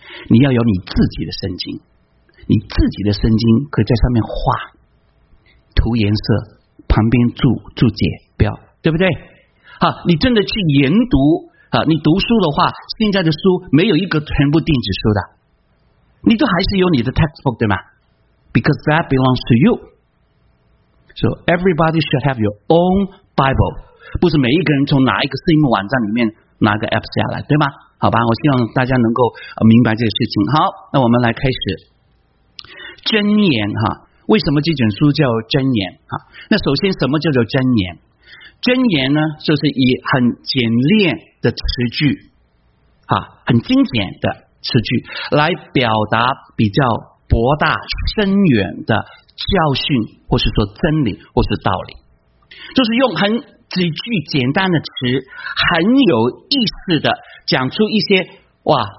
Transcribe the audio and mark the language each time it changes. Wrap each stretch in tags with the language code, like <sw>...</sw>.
<zh>你要有你自己的圣经，你自己的圣经可以在上面画，涂颜色，旁边注解标，对不对？你真的去研读啊，你读书的话，现在的书没有一个全部电子书的。你都还是有你的 textbook 对吗？</zh> <en>Because that belongs to you. So everybody should have your own Bible.</en> <zh>不是每一个人从哪一个圣经网站里面拿个 app 下来，对吗？好吧，我希望大家能够明白这个事情。好，那我们来开始箴言哈。为什么这卷书叫箴言哈？那首先什么叫做箴言？箴言呢，就是以很简练的词句哈，很精简的词句来表达比较博大深远的教训，或是说真理，或是道理，就是用很几句简单的词，很有意思的讲出一些哇，</zh>